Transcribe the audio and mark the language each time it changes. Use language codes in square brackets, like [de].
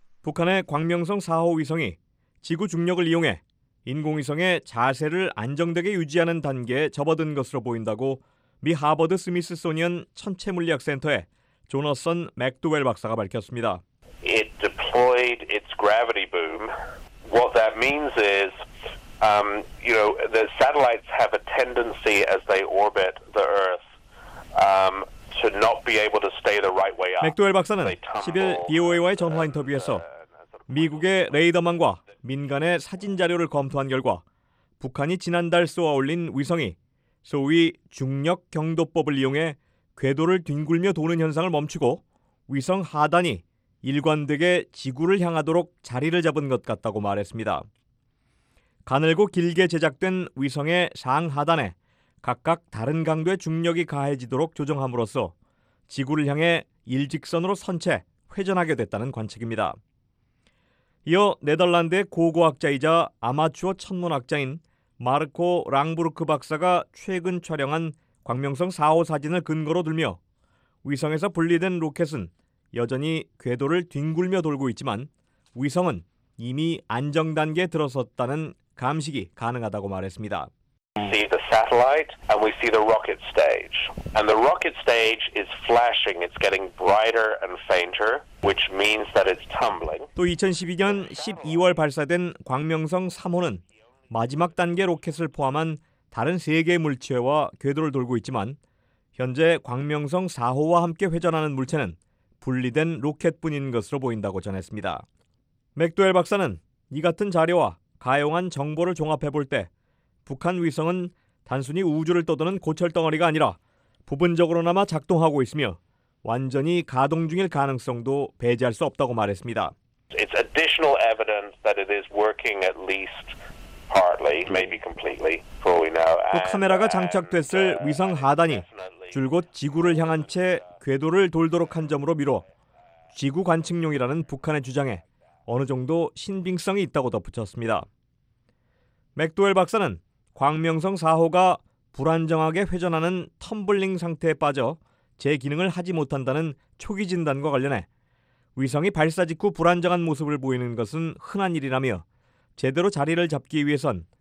[ko] 북한의 광명성 4호 위성이 지구 중력을 이용해 인공위성의 자세를 안정되게 유지하는 단계에 접어든 것으로 보인다고 미 하버드 스미스소니언 천체 물리학 센터의 조너선 맥도웰 박사가 밝혔습니다. [en] It deployed its gravity boom. What that means is, you know, the satellites have a tendency as they orbit the Earth to not be able to stay the right way up. [ko] 맥도웰 박사는 10일 BOA와의 전화 인터뷰에서 미국의 레이더망과 민간의 사진 자료를 검토한 결과 북한이 지난달 쏘아올린 위성이 소위 중력 경도법을 이용해 궤도를 뒹굴며 도는 현상을 멈추고 위성 하단이 일관되게 지구를 향하도록 자리를 잡은 것 같다고 말했습니다. 가늘고 길게 제작된 위성의 상하단에 각각 다른 강도의 중력이 가해지도록 조정함으로써 지구를 향해 일직선으로 선 채 회전하게 됐다는 관측입니다. 이어 네덜란드의 고고학자이자 아마추어 천문학자인 마르코 랑부르크 박사가 최근 촬영한 광명성 4호 사진을 근거로 들며 위성에서 분리된 로켓은 여전히 궤도를 뒹굴며 돌고 있지만 위성은 이미 안정 단계에 들어섰다는 감식이 가능하다고 말했습니다. [en] See the satellite and we see the rocket stage. And the rocket stage is flashing. It's getting brighter and fainter, which means that it's tumbling. [ko] 또 2012년 12월 발사된 광명성 3호는 마지막 단계 로켓을 포함한 다른 세 개의 물체와 궤도를 돌고 있지만 현재 광명성 4호와 함께 회전하는 물체는 분리된 로켓뿐인 것으로 보인다고 전했습니다. 맥도웰 박사는 이 같은 자료와 가용한 정보를 종합해 볼 때 북한 위성은 단순히 우주를 떠도는 고철 덩어리가 아니라 부분적으로나마 작동하고 있으며 완전히 가동 중일 가능성도 배제할 수 없다고 말했습니다. [en] It's additional evidence that it is working at least partly, maybe completely, for all we know. [ko] 또 카메라가 장착됐을 위성 하단이 줄곧 지구를 향한 채 궤도를 돌도록 한 점으로 미뤄 지구 관측용이라는 북한의 주장에 어느 정도 신빙성이 있다고 덧붙였습니다. 맥도웰 박사는 광명성 4호가 불안정하게 회전하는 텀블링 상태에 빠져 제 기능을 하지 못한다는 초기 진단과 관련해 위성이 발사 직후 불안정한 모습을 보이는 것은 흔한 일이라며 제대로 자리를 잡기 위해선